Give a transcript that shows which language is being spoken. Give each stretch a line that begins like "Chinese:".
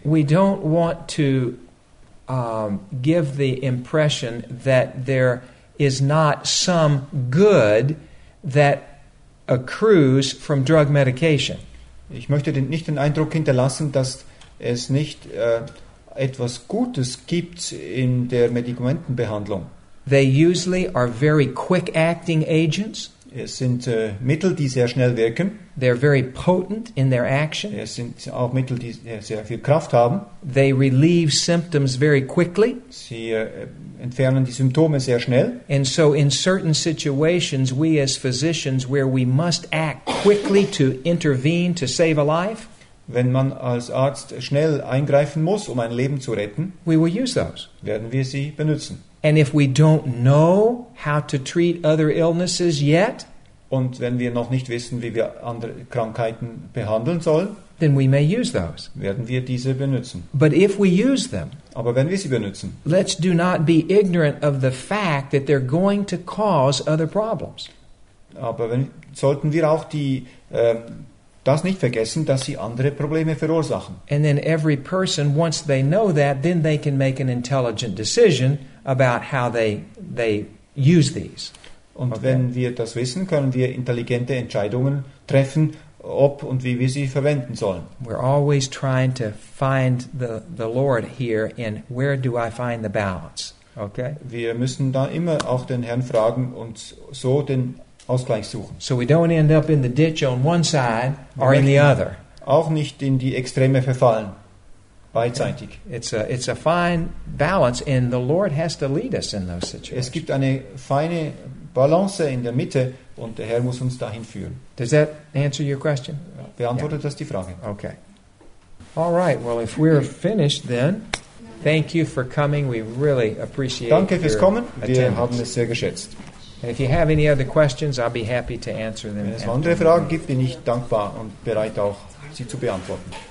English: We don't want to give the impression that there is not some good that accrues from drug medication.
German: Ich möchte nicht den Eindruck hinterlassen, dass es nicht etwas Gutes gibt in der Medikamentenbehandlung.
English: They usually are very quick-acting agents.
German: Es sind Mittel, die sehr schnell wirken.
English: They're very potent in their action.
German: Es sind auch Mittel, die sehr viel Kraft haben.
English: They relieve symptoms very quickly.
German: Sie entfernen die Symptome sehr schnell.
English: And so in certain situations, we as physicians, where we must act quickly to intervene to save a life,
German: wenn man als Arzt schnell eingreifen muss, um ein Leben zu retten,
English: we will use those.
German: Werden wir sie benutzen.
English: And if we don't know how to treat other illnesses yet,
German: und wenn wir noch nicht wissen, wie wir andere Krankheiten behandeln sollen,
English: then we may use those.
German: Werden wir diese benutzen.
English: But if we use them,
German: aber wenn wir sie benutzen,
English: let's do not be ignorant of the fact that they're going to cause other problems.
German: Aber sollten wir auch das nicht vergessen, dass sie andere Probleme verursachen.
English: And then every person, once they know that, then they can make an intelligent decision about how they use these.
German: Und okay. wenn wir das wissen, können wir intelligente Entscheidungen treffen, ob und wie wir sie verwenden sollen.
English: We're always trying to find the Lord here in where do I find the balance? Okay.
German: Wir müssen da immer auch den Herrn fragen und so den Ausgleich suchen.
English: So we don't end up in the ditch on one side or in the other.
German: Auch nicht in die Extreme verfallen. Beidseitig.
English: It's a fine balance and the Lord has to lead us in those situations.
German: Es gibt eine feine Balance in der Mitte und der Herr muss uns dahin führen.
English: Does that answer your question?
German: Beantwortet das die Frage? Okay.
English: All right, well if we're finished then, thank you for coming. We really appreciate your attendance.
German: Danke fürs Kommen. Wir haben es sehr geschätzt.
English: And if you have any other questions, I'll be happy to answer them.
German: Wenn es andere Fragen gibt, bin ich dankbar und bereit auch, sie zu beantworten.